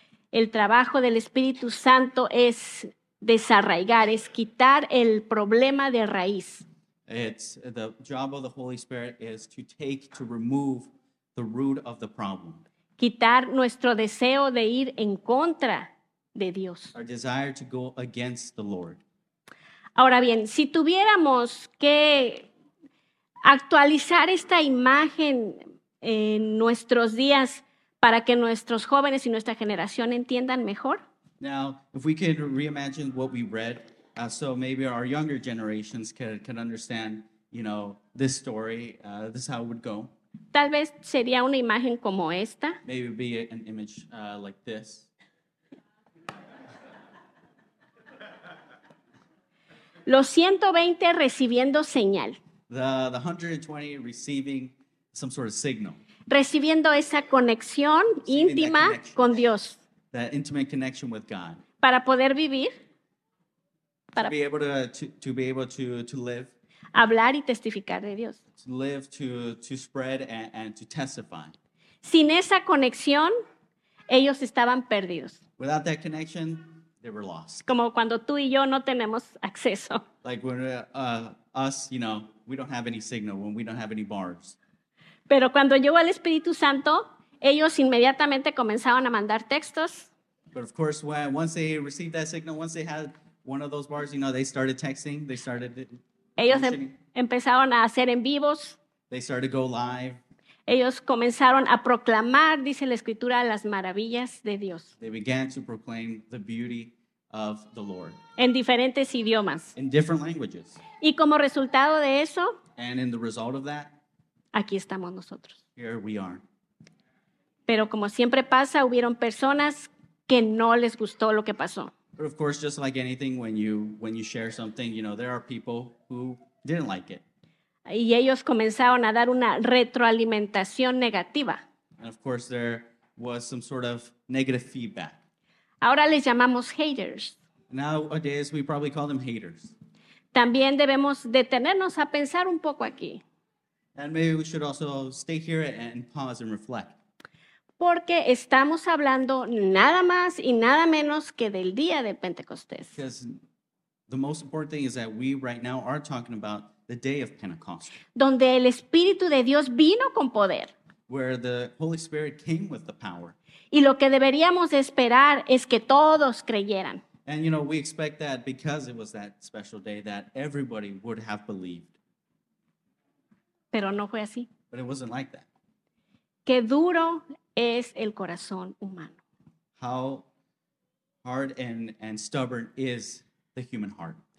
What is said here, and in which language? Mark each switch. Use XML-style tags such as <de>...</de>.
<es>El trabajo del Espíritu Santo es desarraigar, es quitar el problema de raíz.</es> <en>It's the job of the Holy Spirit is to take, to remove the root of the problem.</en> <es>Quitar nuestro deseo de ir en contra de Dios.</es> <en>Our desire to go against the Lord.</en> <es>Ahora bien, si tuviéramos que actualizar esta imagen en nuestros días para que nuestros jóvenes y nuestra generación entiendan mejor.</es> <en>Now, if we can reimagine what we read, so maybe our younger generations can understand, you know, this story, this is how it would go.</en> <es>Tal vez sería una imagen como esta.</es> <en>Maybe it would be an image like this.</en> <es>Los 120 recibiendo señal.</es> <en>The 120 receiving some sort of signal.</en> <es>Recibiendo esa conexión íntima con Dios.</es> <en>That intimate connection with God.</en> <es>Para poder vivir.</es> <en>Para to be able to live.</en> <es>Hablar y testificar de Dios.</es> <en>To live, to spread and to testify.</en> <es>Sin esa conexión, ellos estaban perdidos.</es> <en>Without that connection, they were lost.</en> <es>Como cuando tú y yo no tenemos acceso.</es> <en>Like when us, you know, we don't have any signal, when we don't have any bars.</en> <es>Pero cuando llegó el Espíritu Santo, ellos inmediatamente comenzaron a mandar textos.</es> <en>But of course, once they received that signal, once they had one of those bars, you know, they started texting, they started</en> <es>ellos empezaron a hacer en vivos.</es> <en>They started to go live.</en> <es>Ellos comenzaron a proclamar, dice la Escritura, las maravillas de Dios.</es> <en>They began to proclaim the beauty of the Lord.</en> <es>En diferentes idiomas.</es> <en>In different languages.</en> <es>Y como resultado de eso,</es> <en>and in the result of that,</en> <es>aquí estamos nosotros.</es> <en>Here we are.</en> <es>Pero como siempre pasa, hubieron personas que no les gustó lo que pasó.</es> <en>But of course, just like anything, when you share something, you know, there are people who didn't like it.</en> <es>Y ellos comenzaron a dar una retroalimentación negativa.</es> <en>And of course, there was some sort of negative feedback.</en> <es>Ahora les llamamos haters.</es> <en>Nowadays, we probably call them haters.</en> <es>También debemos detenernos a pensar un poco aquí.</es> <en>And maybe we should also stay here and pause and reflect.</en> <es>Porque estamos hablando nada más y nada menos que del día de Pentecostés.</es> <en>Because the most important thing is that we right now are talking about the day of Pentecost.</en> <es>Donde el Espíritu de Dios vino con poder.</es> <en>Where the Holy Spirit came with the power.</en> <es>Y lo que deberíamos esperar es que todos creyeran.</es> <en>And you know, we expect that because it was that special day that everybody would have believed.</en> <es>Pero no fue así.</es> <en>But it wasn't like that.</en> <es>Qué duro es el corazón humano.</es> <en>How hard and stubborn is the human heart.</en>